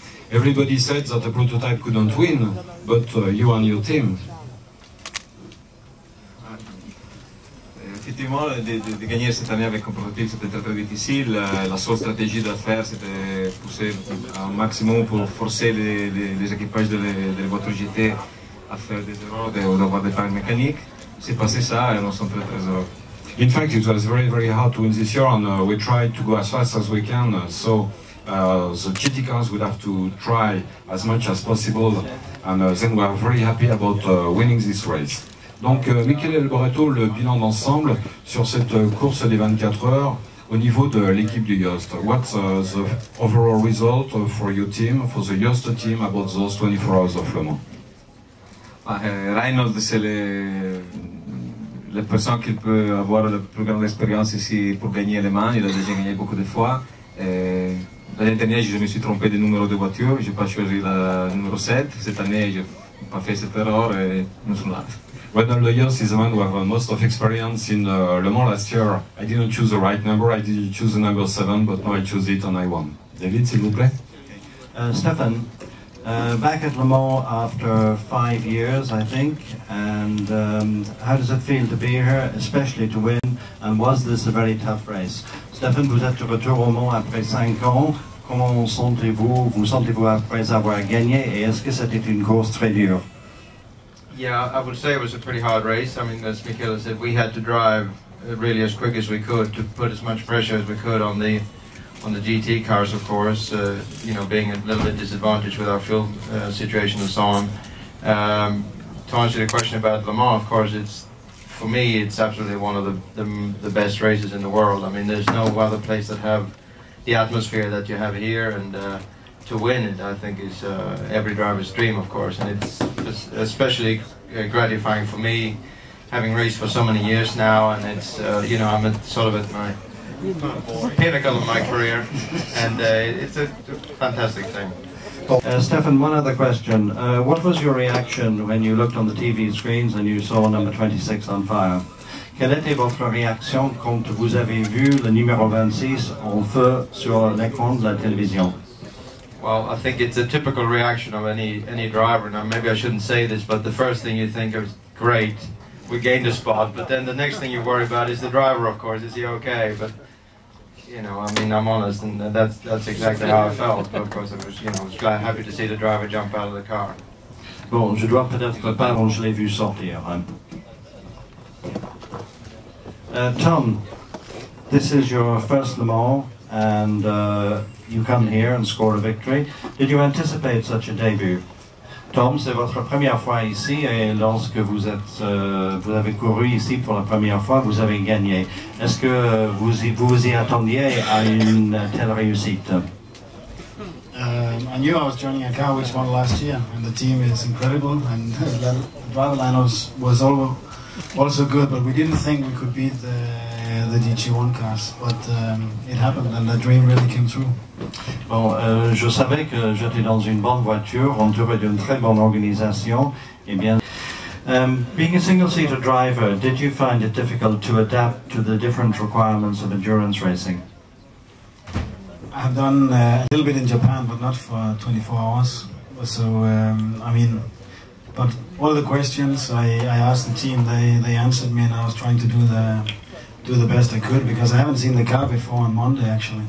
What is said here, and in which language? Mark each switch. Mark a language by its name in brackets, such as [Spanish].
[English] Everybody said that the prototype couldn't win, but you and your team. [French] Effectivement, de gagner cette année avec un prototype, c'était très, très difficile. La seule stratégie à faire, c'était pousser un maximum pour forcer les équipages de votre GT à faire des erreurs ou d'avoir des failles mécaniques. C'est passé ça et nous sommes très, très heureux. [English] In fact, it was very, very hard to win this year and we tried to go as fast as we can. So. The GT cars would have to try as much as possible, and then we are very happy about winning this race. [French] Donc, Michele Alboreto, le bilan d'ensemble sur cette course des 24 heures au niveau de l'équipe du Joest. [English] What's the overall result for your team, for the Joest team, about those 24 hours of Le Mans? [French] Reynolds, c'est la personne qui peut avoir la plus grande expérience ici pour gagner Le Mans. Il a déjà gagné beaucoup de fois. L'année dernière, je me suis trompé de numéro de voiture, je n'ai pas choisi le numéro 7. Cette année, je n'ai pas fait cette erreur et nous sommes là. [English] Reynolds Joest is the man who has most of experience in Le Mans last year. I didn't choose the right number, I didn't choose the number 7, but now I choose it and I won. [French] David, s'il vous plaît. [English] Stefan, back at Le Mans after 5 years, I think, and how does it feel to be here, especially to win, and was this a very tough race? [French] Stefan, vous êtes de retour au Mans après 5 ans. Comment sentez-vous? Vous sentez-vous après avoir gagné? Et est-ce que c'était une course très dure? [English] Yeah, I would say it was a pretty hard race. I mean, as Michele said, we had to drive really as quick as we could to put as much pressure as we could on the GT cars, of course. You know, being a little bit disadvantaged with our fuel situation and so on. To answer your question about Le Mans, of course, it's. For me, it's absolutely one of the best races in the world. I mean, there's no other place that have the atmosphere that you have here, and to win it, I think, is every driver's dream, of course. And it's especially gratifying for me, having raced for so many years now, and it's, you know, I'm sort of at my pinnacle of my career, and it's a fantastic thing. Stefan, one other question. What was your reaction when you looked on the TV screens and you saw number 26 on fire? [French] Quelle était votre réaction quand vous avez vu le numéro 26 en feu sur l'écran de la télévision? [English] Well, I think it's a typical reaction of any driver. Now, maybe I shouldn't say this, but the first thing you think of is, great, we gained a spot, but then the next thing you worry about is the driver, of course. Is he okay? But, you know, I mean, I'm honest, and that's exactly how I felt. But of course, I was, you know, was glad, happy to see the driver jump out of the car. [French] Bon, je dois peut-être pas l'ai vu sortir. [English] Tom, this is your first Le Mans, and you come here and score a victory. Did you anticipate such a debut? [French] Tom, c'est votre première fois ici, et lorsque vous êtes, vous avez couru ici pour la première fois, vous avez gagné. Est-ce que vous y attendiez à une telle réussite? [English] I knew I was joining a car which won last year, and the team is incredible, and the driver line was also good, but we didn't think we could beat the DG1 cars, but it happened, and the dream really came true. [French] Bon, je savais que j'étais dans une bonne voiture, entouré d'une très bonne organisation, et bien... [English] Being a single-seater driver, did you find it difficult to adapt to the different requirements of endurance racing? I've done a little bit in Japan, but not for 24 hours. So, I mean, but all the questions I asked the team, they answered me, and I was trying to do the best I could, because I haven't seen the car before on Monday, actually.